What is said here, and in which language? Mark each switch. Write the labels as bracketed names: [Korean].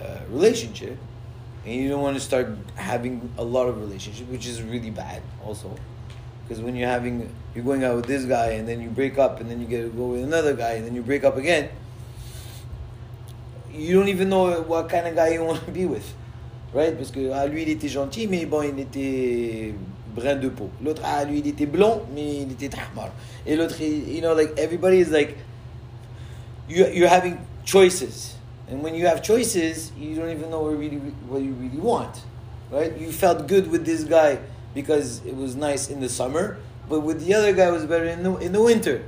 [English] relationship, and you don't want to start having a lot of relationships, which is really bad also, because when you're going out with this guy, and then you break up, and then you get to go with another guy, and then you break up again, you don't even know what kind of guy you want to be with. Right? [French] Parce que lui il était gentil, mais bon, il était brun de peau. L'autre, lui il était blond, mais il était tahmar. Et l'autre, [English] you know, like, everybody is like, you're having choices. And when you have choices, you don't even know what you really want. Right? You felt good with this guy because it was nice in the summer, but with the other guy, it was better in the winter.